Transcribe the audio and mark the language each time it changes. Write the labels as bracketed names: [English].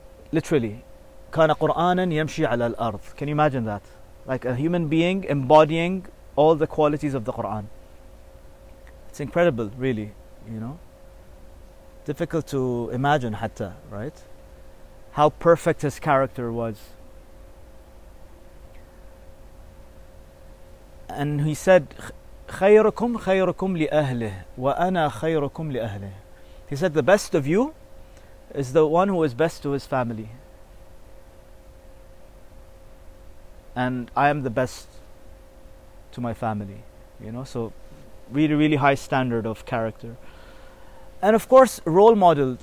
[English] Literally. [Arabic] كَانَ قُرْآنًا يَمْشِي عَلَى الْأَرْضِ. [English] Can you imagine that? Like a human being embodying all the qualities of the Quran. It's incredible, really, you know? Difficult to imagine, hatta, right? How perfect his character was. [Arabic] And he said, خَيْرُكُمْ خَيْرُكُمْ لِأَهْلِهِ وَأَنَا خَيْرُكُمْ لِأَهْلِهِ. [English] He said, the best of you is the one who is best to his family. And I am the best to my family, you know? So really, really high standard of character. And of course, role model.